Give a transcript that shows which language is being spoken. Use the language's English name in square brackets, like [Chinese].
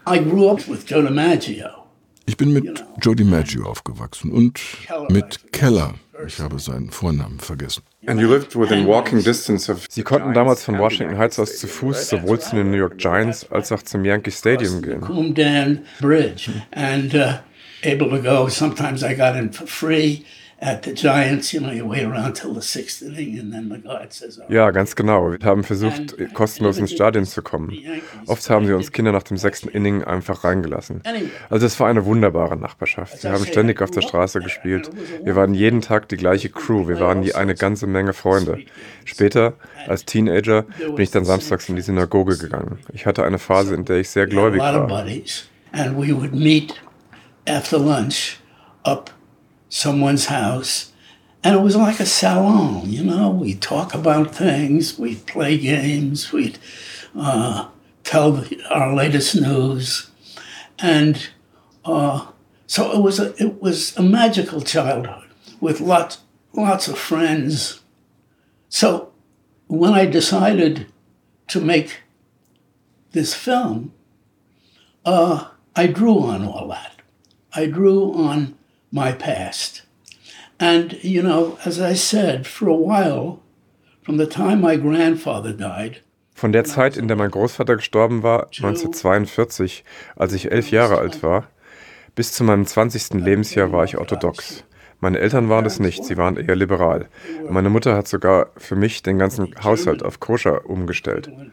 [English] I grew up with Joe DiMaggio. [German] Ich bin mit Joe DiMaggio aufgewachsen und mit Keller. Ich habe seinen Vornamen vergessen. [English] And you lived within walking distance of. [German] Sie konnten damals von Washington Heights aus zu Fuß sowohl zu den New York Giants als auch zum Yankee Stadium gehen. [English] Coombe Dan Bridge and able to go. Sometimes I got in for free at the Giants. You know, you wait around till the sixth inning and then the guard says. [German] Ja, ganz genau. Wir haben versucht, kostenlos ins Stadion zu kommen. Oft haben sie uns Kinder nach dem sechsten Inning einfach reingelassen. Also es war eine wunderbare Nachbarschaft. Wir haben ständig auf der Straße gespielt. Wir waren jeden Tag die gleiche Crew. Wir waren die eine ganze Menge Freunde. Später, als Teenager, bin ich dann samstags in die Synagoge gegangen. Ich hatte eine Phase, in der ich sehr gläubig war. [English] And we would meet after lunch up someone's house. And it was like a salon, you know. We'd talk about things. We'd play games. We'd tell our latest news. And so it was a magical childhood with lots of friends. So when I decided to make this film, I drew on all that. I drew on my past. And, you know, as I said, for a while, from the time my grandfather died, [German] von der Zeit, in der mein Großvater gestorben war, 1942, als ich 11 Jahre alt war, bis zu meinem 20. Lebensjahr war ich orthodox. Meine Eltern waren es nicht, sie waren eher liberal. Meine Mutter hat sogar für mich den ganzen Haushalt auf Koscher umgestellt.